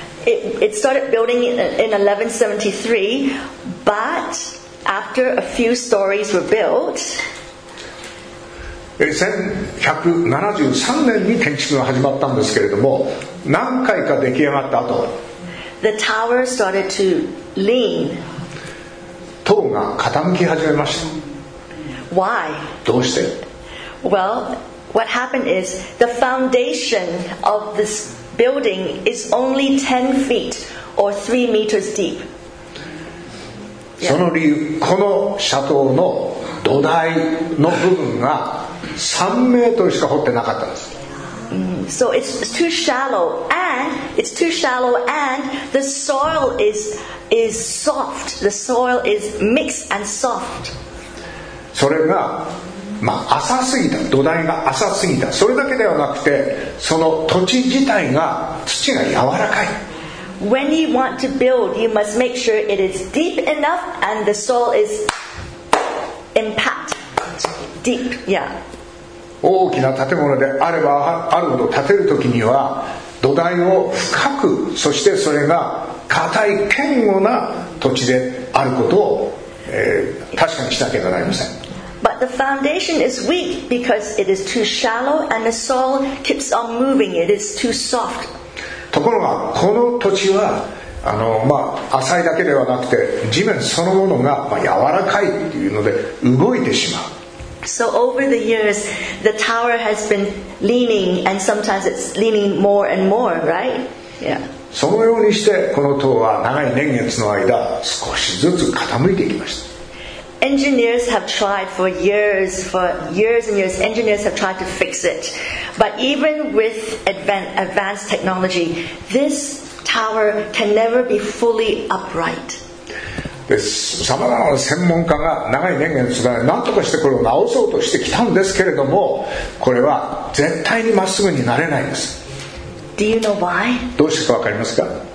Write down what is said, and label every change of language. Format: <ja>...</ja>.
<en>It started building in 1173, but after a few stories were built,</en> <ja>1173年に建築が始まったんですけれども、何回か出来上がった後、</ja> <en>the tower started to lean.</en> <ja>塔が傾き始めました。</ja> <en>Why?</en> <ja>どうして?</ja> <en>Well, what happened is the foundation of this. Building is only 10 feet or 3 meters deep.</en> <ja>その理由、このシャトーの土台の部分が3メートルしか掘ってなかったんです。</ja> <en>So it's too shallow and it's too shallow and the soil is soft. The soil is mixed and soft.</en> <ja>それがまあ、浅すぎた土台が浅すぎたそれだけではなくてその土地自体が土が柔らかい</ja> <en>When you want to build you must make sure it is deep enough and the soil is impact deep yeah</en> <ja>大きな建物であればあるほど建てるときには土台を深くそしてそれが硬い堅固な土地であることを、確かにしなければなりません</ja> <en>But the foundation is weak because it is too shallow and the soil keeps on moving. It is too soft.</en> <ja>ところがこの土地はまあ、浅いだけではなくて地面そのものが、まあ、柔らかいっていうので動いてしまう。</ja> <en>So over the years, the tower has been leaning and sometimes it's leaning more and more, right? Yeah.</en> <ja>そのようにしてこの塔は長い年月の間少しずつ傾いていきました。</ja> <en>Engineers have tried for years and years. Engineers have tried to fix it, but even with advanced technology, this tower can never be fully upright.</en> <ja>さまざまな専門家が長い年月の間、何とかしてこれを直そうとしてきたんですけれども、これは絶対にまっすぐになれないんです。</ja> <en>Do you know why?</en> <ja>どうしてかわかりますか?</ja>